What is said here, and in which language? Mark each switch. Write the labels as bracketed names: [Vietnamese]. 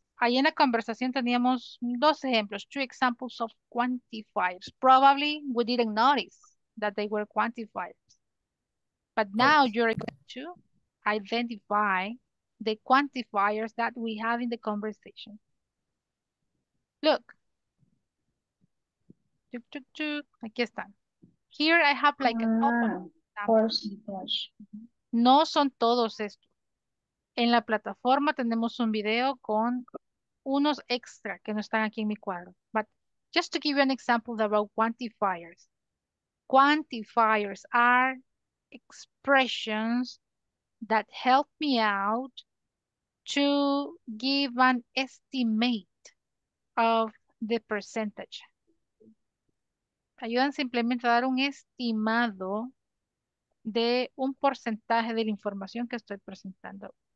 [Spanish] Ahí en la conversación teníamos dos ejemplos, [English] two examples of quantifiers. Probably we didn't notice that they were quantifiers. But now you're going to identify the quantifiers that we have in the conversation. Look. [Spanish] Aquí están. [English] Here I have like an open. Of course. [Spanish] No son todos estos. En la plataforma tenemos un video con unos extra que no están aquí en mi cuadro. [English] But just to give you an example about quantifiers. Quantifiers are expressions that help me out to give an estimate of the percentage. [Spanish] Ayudan simplemente a dar un estimado de un porcentaje de la información que estoy presentando.